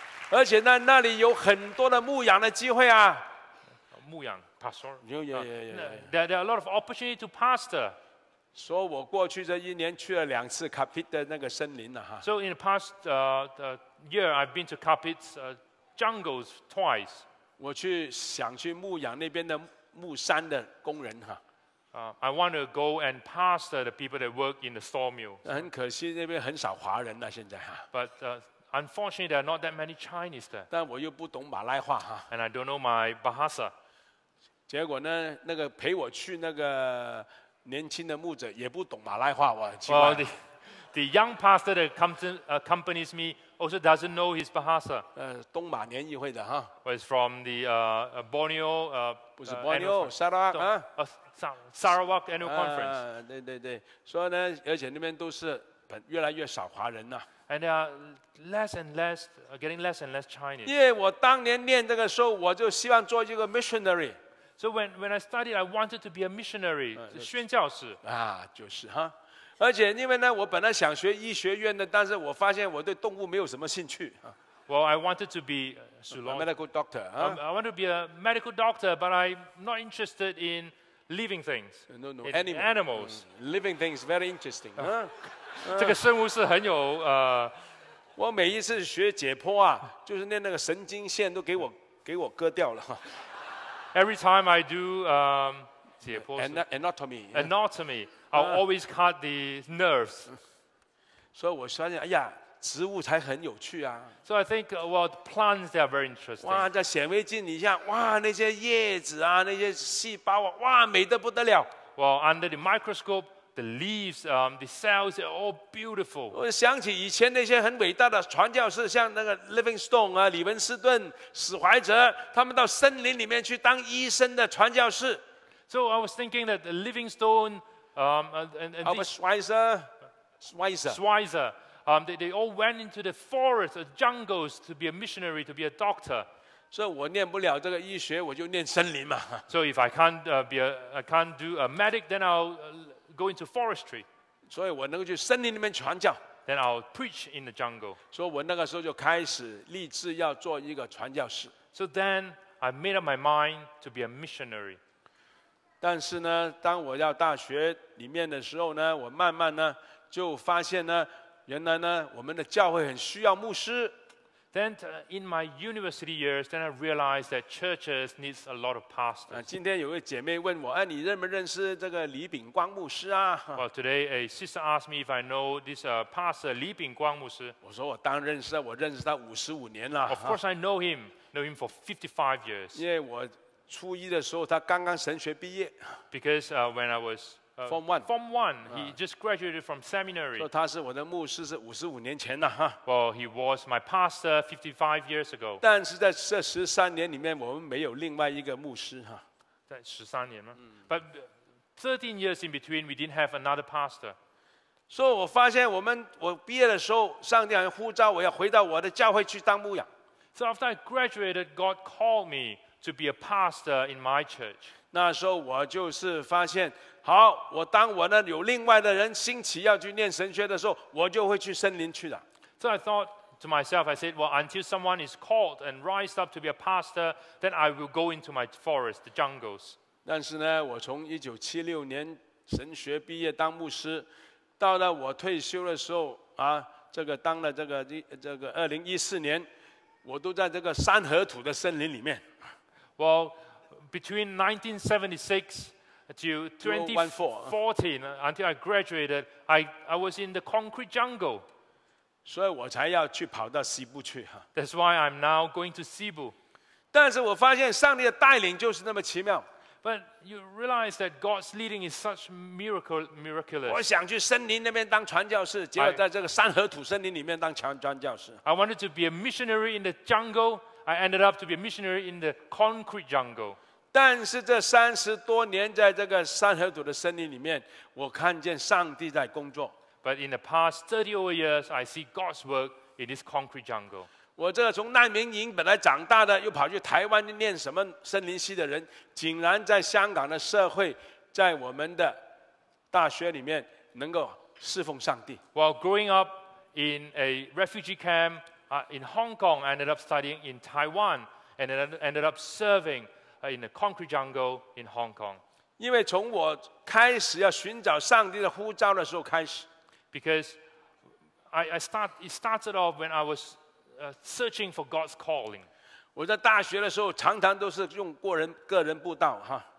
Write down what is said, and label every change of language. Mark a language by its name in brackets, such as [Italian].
[Chinese] 而且呢，那里有很多的牧养的机会啊。牧养 ，pastor. [English] Yeah. There are a lot of opportunity to pastor. [Chinese] 所以我过去这一年去了两次 Carpet 的那个森林了哈。 [English] So in the past year, I've been to Carpet's jungles twice. [Chinese] 我去想去牧养那边的牧山的工人哈。 [English] I want to go and pastor the people that work in the sawmill. [Chinese] 很可惜那边很少华人了现在哈。 [English] But unfortunately, there are not that many Chinese there. [Chinese] 但我又不懂马来话哈。 [English] And I don't know my Bahasa. [Chinese] 结果呢，那个陪我去那个。年轻的牧者也不懂马来话，我很奇怪。 [English] Well, the young pastor that comes in, accompanies me also doesn't know his Bahasa. [Chinese] 东马联谊会的哈。 [English] Was from the Borneo. [Chinese] 不是 Borneo, Sarawak. [English] Sarawak Annual Conference. [Chinese] 对对对，所以呢，而且那边都是越来越少华人了。 [English] And they are less and less, getting less and less Chinese. [Chinese] 因为我当年念这个时候，我就希望做一个 missionary。 [English] So when I studied, I wanted to be a missionary, [Chinese] 宣教士。啊，就是哈。而且因为呢，我本来想学医学院的，但是我发现我对动物没有什么兴趣。 [English] Well, I wanted to be a medical doctor. I wanted to be a medical doctor, but I'm not interested in living things. No, animals. Living things very interesting. [Chinese] 这个生物是很有我每一次学解剖啊，就是那个神经线都给我割掉了。 [English] Every time I do anatomy, I'll always cut the nerves. So I was thinking, [Chinese] 哎呀，植物才很有趣啊。 [English] So I think, well, plants are very interesting. [Chinese] 哇，在显微镜底下，哇，那些叶子啊，那些细胞啊，哇，美得不得了。 [English] Well, under the microscope, the leaves, the cells are all beautiful. [Chinese] 我想起以前那些很伟大的传教士，像那个 Livingstone 啊、李文斯顿、史怀哲，他们到森林里面去当医生的传教士。 [English] So I was thinking that Livingstone, Schweizer, they all went into the forest, the jungles to be a missionary, to be a doctor. [Chinese] 所以我念不了这个医学，我就念森林嘛。 [English] So if I can't can't do a medic, then I'll go into forestry. [Chinese] 所以我能够去森林里面传教。 [English] Then I'll preach in the jungle. [Chinese] 所以我那个时候就开始立志要做一个传教士。 [English] So then I made up my mind to be a missionary. [Chinese] 但是呢，当我要大学里面的时候呢，我慢慢呢就发现呢，原来呢我们的教会很需要牧师。 [English] Then in my university years, then I realized that churches need a lot of pastors. [Chinese] 今天有位姐妹问我，哎，你认不认识这个李炳光牧师啊？ [English] Well, today a sister asked me if I know this pastor 李炳光牧师。 [Chinese] 我说我当然认识，我认识他五十五年了。 [English] Of course, I know him. Know him for 55 years. [Chinese] 因为我初一的时候，他刚刚神学毕业。 [English] Because when I was Form one, he just graduated from seminary. [Chinese] So 他是我的牧师，是五十五年前了哈。 [English] Well, he was my pastor 55 years ago. [Chinese] 但是在这十三年里面，我们没有另外一个牧师哈。在十三年吗？嗯。 [English] But 13 years in between, we didn't have another pastor. [Chinese] So 我发现我毕业的时候，上帝好像呼召我要回到我的教会去当牧养。 [English] So after I graduated, God called me to be a pastor in my church. [Chinese] 那时候我就是发现。好，我当我呢有另外的人兴起要去念神学的时候，我就会去森林去了。 [English] So I thought to myself, I said, well, until someone is called and rise up to be a pastor, then I will go into my forest, the jungles. [Chinese] 但是呢，我从1976年神学毕业当牧师，到了我退休的时候啊，这个当了这个2014年，我都在这个三合土的森林里面。 [English] Well, between 1976until 2014, until I graduated, I was in the concrete jungle. [Chinese] 所以我才要去跑到西部去。 [English] That's why I'm now going to Cebu. [Chinese] 但是我发现上帝的带领就是那么奇妙。 [English] But you realize that God's leading is such miraculous. [Chinese] 我想去森林那边当传教士，结果在这个三合土森林里面当传教士。 [English] I wanted to be a missionary in the jungle. I ended up to be a missionary in the concrete jungle. [Chinese] 但是这三十多年在这个三合土的森林里面，我看见上帝在工作。 [English] But in the past 30 over years, I see God's work in this concrete jungle. [Chinese] 我这个从难民营本来长大的，又跑去台湾念什么森林系的人，竟然在香港的社会，在我们的大学里面能够侍奉上帝。 [English] While growing up in a refugee camp, in Hong Kong, I ended up studying in Taiwan, and ended up serving.In the concrete jungle in Hong Kong. [Chinese] 因为从我开始要寻找上帝的呼召的时候开始。 [English] Because it started off when I was searching for God's calling. [Chinese] 我在大学的时候常常都是用个人布道哈。